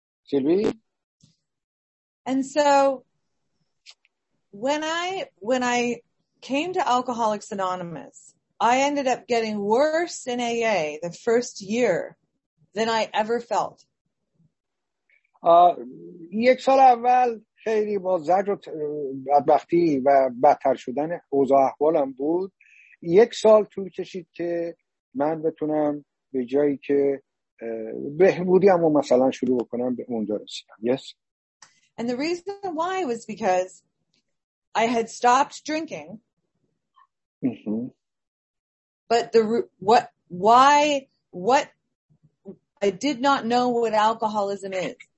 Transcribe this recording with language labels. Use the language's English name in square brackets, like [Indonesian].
[Persian] سیلوی؟ [English] And so when I came to Alcoholics Anonymous, I ended up getting worse in AA the first year than I ever felt. [Persian] یک سال اول خیلی با زجر و بدبختی و بدتر شدن اوضاع احوالم بود. یک سال طول کشید که من بتونم به جایی که بهبودیم و مثلا شروع بکنم به اونجا رسیدم. [English] Yes. And the reason why was because I had stopped drinking. But I did not know what alcoholism is.